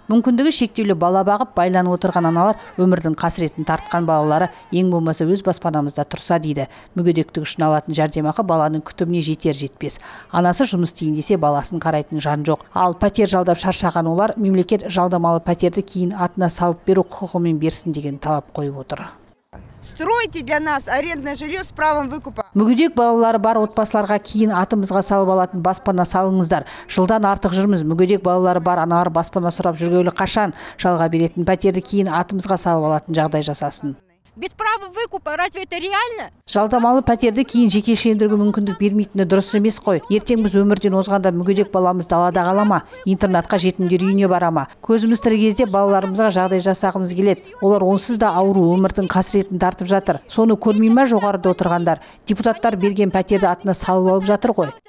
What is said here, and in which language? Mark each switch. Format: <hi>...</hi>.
<kk>Мүмкіндігі шектеулі бала бағып байланып отырған аналар өмірдің қасіретін тартқан балалары ең болмаса өз баспанамызда тұрса дейді. Мүгедектік үшін алатын жәрдемақы баланың күтіміне жетер жетпес. Анасы жұмыс істейін десе баласын қарайтын жан жоқ. Ал пәтер жалдап шаршаған олар мемлекет жалдамалы пәтерді кейін атына салып беру құқығымен берсін деген талап қойып отыр.</kk> <ru>Стройте для нас арендное жилье с правом выкупа.</ru> <kk>Мүгедек балалары бар отбасыларға кейін атымызға салып алатын баспана салыңыздар. Жылдан артық жүрміз. Мүгедек балалары бар аналар баспана сұрап жүргелі қашан жалға беретін пәтерді кейін атымызға салып алатын жағдай жасасын.</kk> <ru>Без права выкупа, разве это реально?</ru> <kk>Жалдамалы пәтерді кейін жекешелендіруге мүмкіндік бермейтіні дұрыс емес қой. Ертең біз өмірден озғанда мүгедек баламыз далада қала ма, интернатқа жетімдер үйіне бара ма? Көзіміз тірі кезде балаларымызға жағдай жасағымыз келеді. Олар онсыз да ауру өмірдің қасіретін тартып жатыр. Соны көрмей ма жоғарыда отырғандар? Депутаттар берген пәтерді атына салып алып жатыр ғой.</kk>